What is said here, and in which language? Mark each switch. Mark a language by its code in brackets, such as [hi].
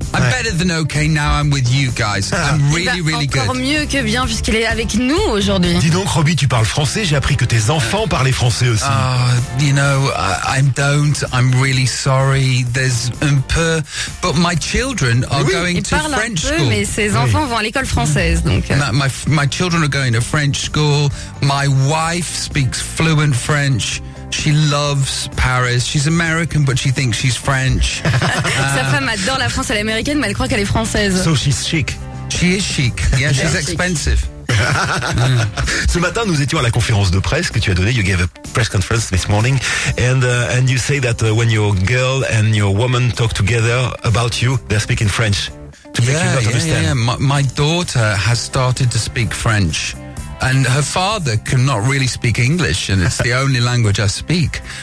[en] I'm better than okay now I'm with you guys. I'm really [fr] encore [en] good. [fr] Encore mieux que bien puisqu'il est avec nous aujourd'hui. Dis donc Robbie, tu parles français, j'ai appris que tes enfants parlaient français aussi. [en] I'm really sorry. There's [fr] un peu, [en] but my children are going to French school. Mais ses enfants vont à l'école française donc. My children are going to French school. My wife speaks fluent French. She loves Paris. She's American, but she thinks she's French. [fr] Sa femme adore la France, elle est américaine, mais elle croit qu'elle est française. [en] So she's chic. She is chic. Yeah, she's expensive. [fr] Ce matin, nous étions à la conférence de presse que tu as donnée. [en] You gave a press conference this morning, and you say that when your girl and your woman talk together about you, they're speaking French. Yeah. My daughter has started to speak French. And her father cannot really speak English, and it's the only language I speak.